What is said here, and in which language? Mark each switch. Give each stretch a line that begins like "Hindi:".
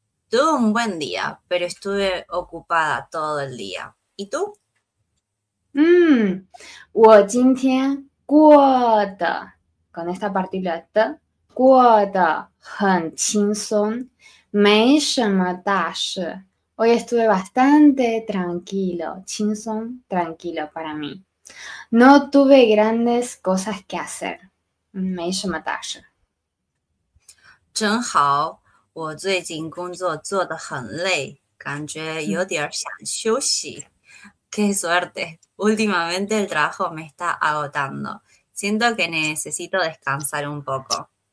Spanish: Tuve un buen día, pero estuve ocupada todo el día. ¿Y tú?
Chinese: 我今天过得,
Spanish: con esta partícula T,
Chinese: 过得很轻松, 没什么大事.
Spanish: Hoy estuve bastante tranquilo,
Chinese: 轻松,
Spanish: tranquilo para mí. No tuve grandes cosas que hacer,
Chinese: 没什么大事. 真好, 我最近工作做得很累, 感觉有点想休息.
Spanish: Qué suerte, últimamente el trabajo me está agotando. Siento que necesito descansar un poco.